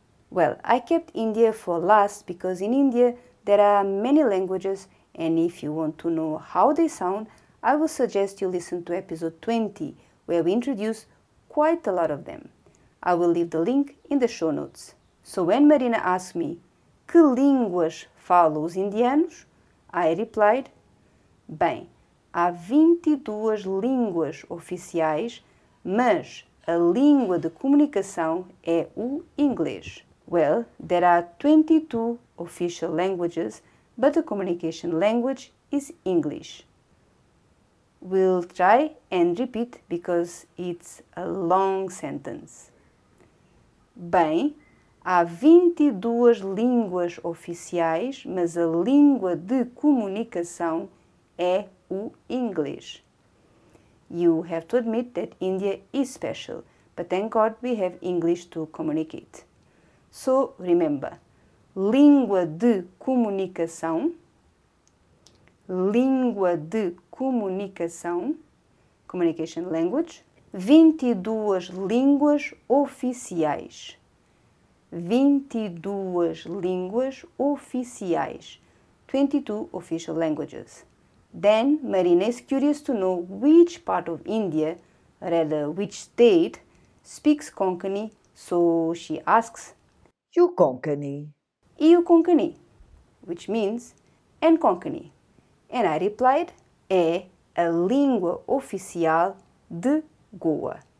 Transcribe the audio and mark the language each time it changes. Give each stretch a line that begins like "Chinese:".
English: Well, I kept India for last because in India there are many languages, and if you want to know how they sound, I will suggest you listen to episode 20, where we introduce quite a lot of them. I will leave the link in the show notes. So when Marina asked me,
Portuguese: que línguas falam os indianos?
English: I replied,
Portuguese: bem, há 22 línguas oficiais, mas a língua de comunicação é o inglês.
English: Well, there are 22 official languages, but the communication language is English. We'll try and repeat because it's a long sentence.
Portuguese: Bem, há 22 línguas oficiais, mas a língua de comunicação é o inglês.
English: You have to admit that India is special, but thank God we have English to communicate. So, remember,
Portuguese: língua de comunicação, língua de comunicação,
English: communication language,
Portuguese: 22 línguas oficiais, 22 línguas oficiais,
English: 22 official languages. Then, Marina is curious to know which part of India, rather which state, speaks Konkani, so she asks, you Konkani. Iu Konkani, which means, and Konkani. And I replied,
Portuguese: é a língua oficial de Goa.